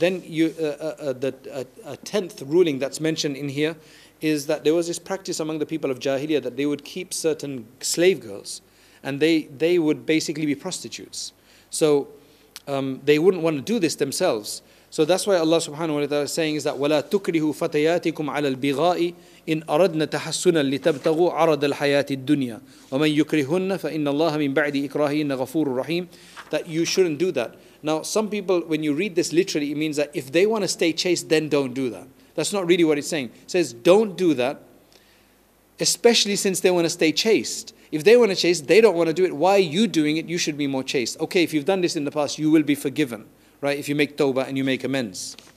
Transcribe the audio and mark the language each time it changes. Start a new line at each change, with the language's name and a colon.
English: A tenth ruling that's mentioned in here is that there was this practice among the people of Jahiliyyah that they would keep certain slave girls and they would basically be prostitutes. So they wouldn't want to do this themselves. So that's why Allah subhanahu wa ta'ala is saying is that
Arabic: وَلَا تُكْرِهُ فَتَيَاتِكُمْ عَلَى الْبِغَاءِ إِنْ أَرَدْنَ تَحَسُّنًا لِتَبْتَغُوا عَرَضَ الْحَيَاةِ الدُّنْيَا وَمَنْ يُكْرِهُنَّ فَإِنَّ اللَّهَ مِنْ بَعْدِ إِكْرَاهِهِنَّ غَفُورٌ رَحِيمٌ.
English: That you shouldn't do that. Now, some people, when you read this literally, it means that if they want to stay chaste, then don't do that. That's not really what it's saying. It says, don't do that, especially since they want to stay chaste. If they want to chase, they don't want to do it. Why are you doing it? You should be more chaste. Okay, if you've done this in the past, you will be forgiven, right? If you make tawbah and you make amends.